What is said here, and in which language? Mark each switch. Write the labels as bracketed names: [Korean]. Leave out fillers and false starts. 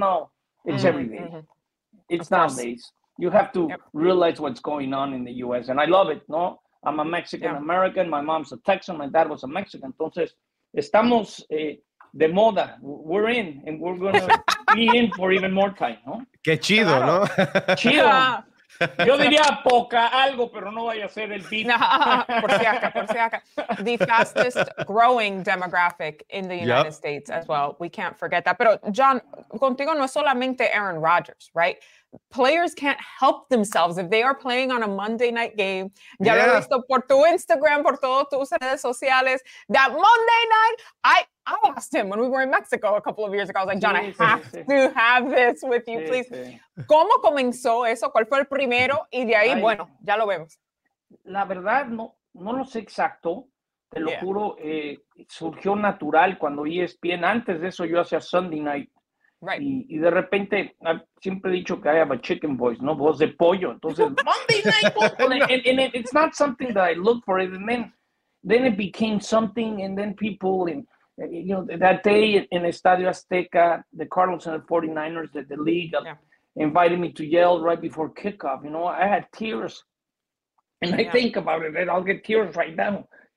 [English] No, it's every day. It's nowadays. You have to realize what's going on in the U.S. And I love it. No, I'm a Mexican American. My mom's a Texan. My dad was a Mexican. [Spanish] Entonces, estamos. De moda, [English] we're in, and we're going to be in for even more time, ¿no? [Spanish] Qué chido, ¿no? Chido. Yo diría poca, algo, pero no vaya a ser el beat. Por si acá. [English] The fastest growing demographic in the United States as well. We can't forget that. [Spanish] Pero, John, contigo no es solamente Aaron Rodgers, right? [English] Players can't help themselves if they are playing on a Monday night game. [Spanish] Ya lo he visto por tu Instagram, por todas tus redes sociales. [English] That Monday night, I asked him when we were in Mexico a couple of years ago. I was like, John, I have to have this with you, please. [Spanish] Sí. ¿Cómo comenzó eso? ¿Cuál fue el primero? Y de ahí, ya lo vemos. La verdad, no lo sé exacto. Te lo juro, surgió natural cuando ESPN. Antes de eso, yo hacía Sunday night. [English] Right. [Spanish] Y de repente, siempre he dicho que [English] I have a chicken voice, [Spanish] ¿no? Voz de pollo. Entonces, Monday night football. [English] And it's not something that I look for. And then it became something. And then people, that day in Estadio Azteca, the Cardinals and the 49ers, the league invited me to yell right before kickoff. You know, I had tears. And I think about it, and I'll get tears right now.